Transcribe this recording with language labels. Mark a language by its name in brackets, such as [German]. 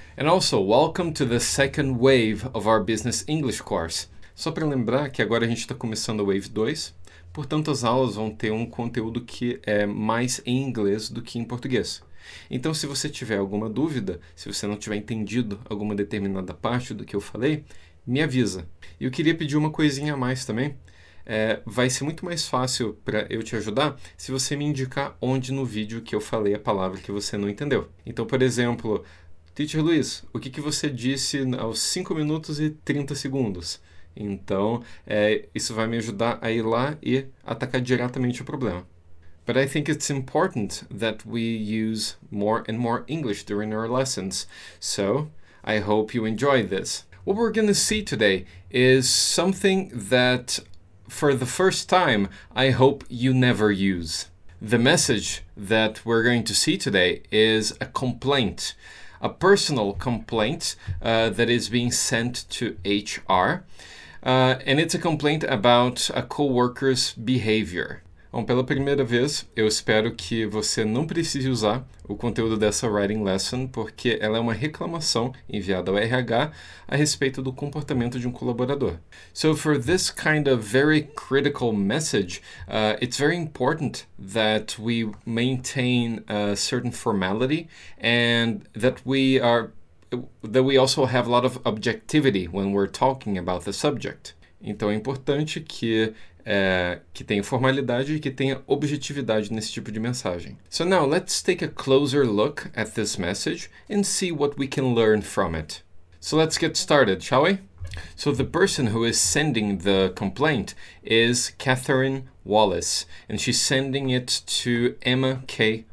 [English] And also, welcome to the second wave of our Business English course. [Portuguese] Só para lembrar que agora a gente está começando a Wave 2, portanto as aulas vão ter um conteúdo que é mais em inglês do que em português. Então, se você tiver alguma dúvida, se você não tiver entendido alguma determinada parte do que eu falei, me avisa. E eu queria pedir uma coisinha a mais também. Vai ser muito mais fácil para eu te ajudar se você me indicar onde no vídeo que eu falei a palavra que você não entendeu. Então, por exemplo, Teacher Luiz, o que você disse aos 5 minutos e 30 segundos? Então, isso vai me ajudar a ir lá e atacar diretamente o problema. [English] But I think it's important that we use more and more English during our lessons. So, I hope you enjoy this. What we're going to see today is something that, for the first time, I hope you never use. The message that we're going to see today is a complaint, a personal complaint that is being sent to HR. And it's a complaint about a coworker's behavior. [Portuguese] Bom, pela primeira vez, eu espero que você não precise usar o conteúdo dessa writing lesson, porque ela é uma reclamação enviada ao RH a respeito do comportamento de um colaborador. [English] So for this kind of very critical message, it's very important that we maintain a certain formality and that we also have a lot of objectivity when we're talking about the subject. [Portuguese] Então é importante que tenha formalidade e que tenha objetividade nesse tipo de mensagem. [English] So now, let's take a closer look at this message and see what we can learn from it. So let's get started, shall we? So the person who is sending the complaint is Catherine Wallace, and she's sending it to Emma K.